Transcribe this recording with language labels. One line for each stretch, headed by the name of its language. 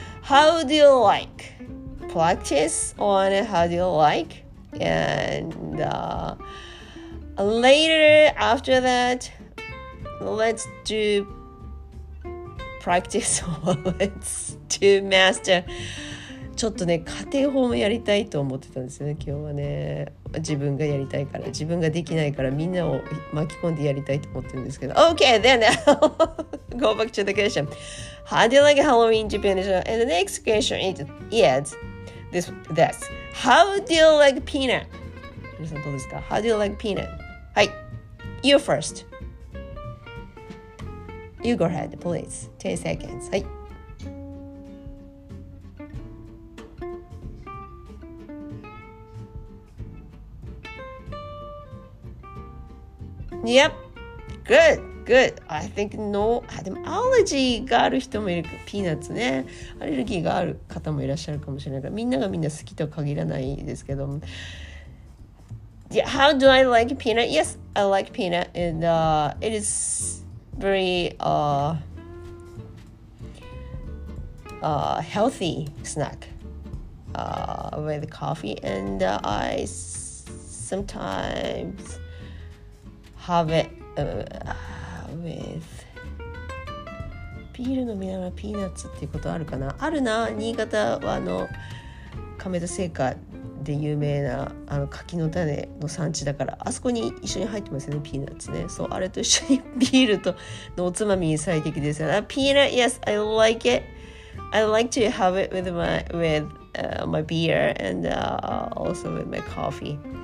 English: How do you like practice on how do you like and later after that let's doPractice let's do master.
Japanese: ちょっとね家庭訪問やりたいと思ってたんですよね今日はね、自分がやりたいから、自分ができないからみんなを巻き込んでやりたいと思ってるんですけど。
English: Okay, then go back to the question. How do you like Halloween Japan? And the next question is this. How do you like peanut? 皆さんどうですか？ How do you like peanut? はい、 You first. You go ahead, please. 10 seconds. はい。 Yep. Good. Good. I think no.
Japanese: でもアレルギーがある人もいる。ピーナッツね。アレルギーがある方もいらっしゃるかもしれないから。みんながみんな好きとは限らないですけど。
English: Yeah, how do I like peanut? Yes, I like peanut. And it is very healthy snack with coffee.
Japanese: And I sometimes have it with ビール飲みながらピーナッツっていうことあるかな。あるな。新潟はあの亀田製菓で有名なあの柿の種の産地だから、あそこに一緒に入ってますよね、ピーナッツね。そう、あれと一緒にビールとのおつまみに最適ですよね。
English: ピーナッツ、yes, I like it. I like to have it with my beer and also with my coffee.